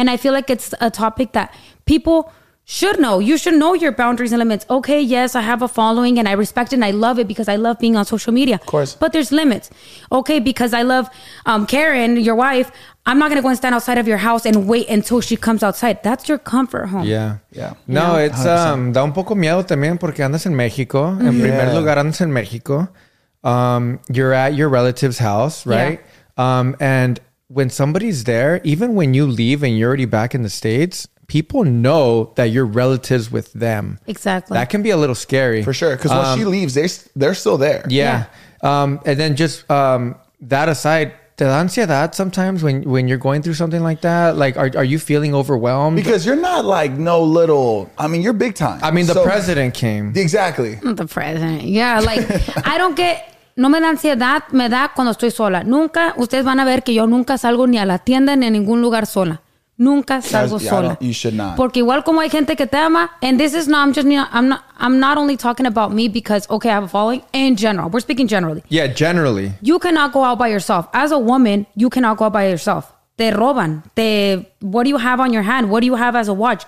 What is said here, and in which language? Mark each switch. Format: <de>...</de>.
<en>And I feel like it's a topic that people should know. You should know your boundaries and limits. Okay, yes, I have a following and I respect it and I love it because I love being on social media. Of course. But there's limits. Okay, because I love Karen, your wife, I'm not going to go and stand outside of your house and wait until she comes outside. That's your comfort home. Yeah. Yeah. No, it's, 100%.</en> <es>Da un poco miedo también porque andas en México. En yeah. primer lugar, andas en México.</es> <en>You're at your relative's house, right? Yeah. And when somebody's there, even when you leave and you're already back in the States, people know that you're relatives with them. Exactly. That can be a little scary. For sure. Because when she leaves, they're still there. Yeah. yeah. And then just that aside, the ansiedad sometimes when you're going through something like that, like, are you feeling overwhelmed? Because you're not like no little, I mean, you're big time. I mean, the president came. Exactly. The president. Yeah. Like, I don't get,</en> <es>no me da ansiedad, me da cuando estoy sola. Nunca, ustedes van a ver que yo nunca salgo ni a la tienda ni a ningún lugar sola. Nunca salgo sola.</es> <en>You should not.</en> <es>Porque igual como hay gente que te ama,</es> <en>and this is not, I'm not only talking about me because, okay, I have a following in general. We're speaking generally. Yeah, generally. You cannot go out by yourself. As a woman, you cannot go out by yourself.</en> <es>Te roban.</es> <en>What do you have on your hand? What do you have as a watch?</en>